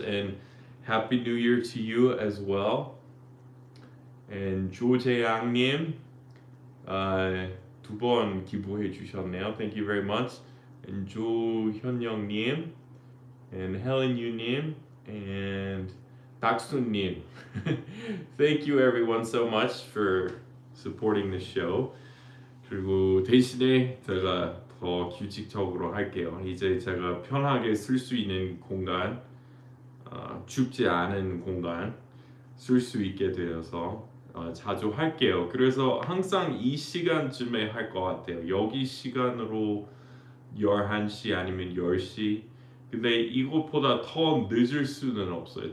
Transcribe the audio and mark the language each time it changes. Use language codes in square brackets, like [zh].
[en] And Happy New Year to you as well. [ko] And 조재양님 두 번 기부해 주셨네요. [en] Thank you very much. And 조현영님 and Helen Yu님 and 박순님 Thank you everyone so much for supporting the show. [ko] 그리고 대신에 제가 더 규칙적으로 할게요. 이제 제가 편하게 쓸 수 있는 공간 춥지 않은 공간 쓸 수 있게 되어서 자주 할게요. 그래서 항상 이 시간쯤에 할 것 같아요. 여기 시간으로 11시 아니면 10시 근데 이것보다 더 늦을 수는 없어요.